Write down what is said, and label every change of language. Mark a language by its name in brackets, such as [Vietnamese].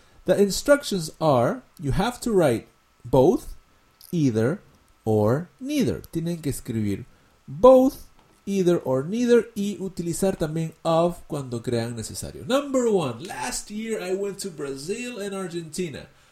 [English] The instructions are, you have to write both, either, or neither. [Spanish] Tienen que escribir both, either, or neither, y utilizar también of cuando crean necesario. [English] Number one, last year I went to Brazil and Argentina.